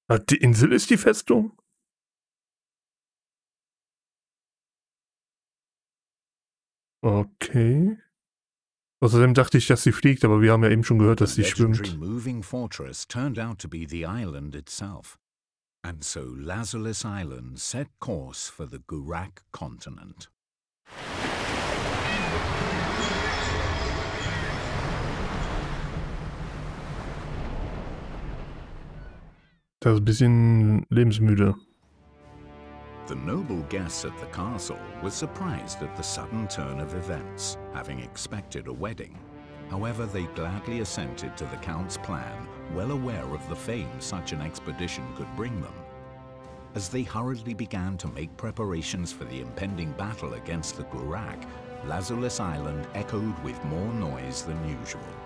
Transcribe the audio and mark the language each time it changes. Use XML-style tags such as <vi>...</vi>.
<de>Die Insel ist die Festung? Okay. Außerdem dachte ich, dass sie fliegt, aber wir haben ja eben schon gehört, dass sie schwimmt.</de> <en>The legendary moving fortress turned out to be the island itself. And so Lazarus Island set course for the Gurak continent.</en> <de>Das ist ein bisschen lebensmüde.</de> <en>The noble guest at the castle was surprised at the sudden turn of events, having expected a wedding. However, they gladly assented to the Count's plan, well aware of the fame such an expedition could bring them. As they hurriedly began to make preparations for the impending battle against the Gurak, Lazarus Island echoed with more noise than usual.</en>